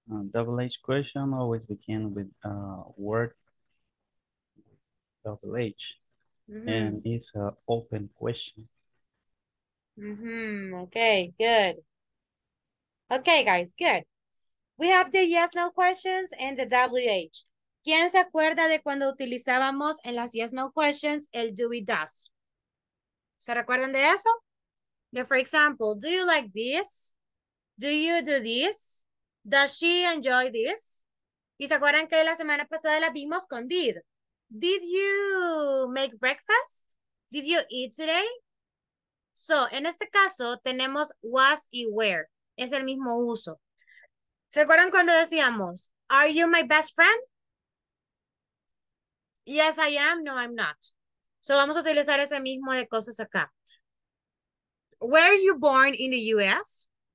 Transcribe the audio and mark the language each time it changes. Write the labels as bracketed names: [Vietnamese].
[English] Double H question always begin with word double H. And it's an open question. Okay, good. Okay, guys, good. We have the yes, no questions and the WH. [Spanish] ¿Quién se acuerda de cuando utilizábamos en las yes, no questions el do y does? ¿Se recuerdan de eso? [English] Yeah, for example, do you like this? Do you do this? Does she enjoy this? [Spanish] ¿Y se acuerdan que la semana pasada la vimos con did? [English] Did you make breakfast? Did you eat today? [Spanish] So, en este caso, tenemos was y where. Es el mismo uso. ¿Se acuerdan cuando decíamos, [English] are you my best friend? Yes, I am. No, I'm not. [Spanish] So, vamos a utilizar ese mismo de cosas acá. [English] Where are you born in the U.S.?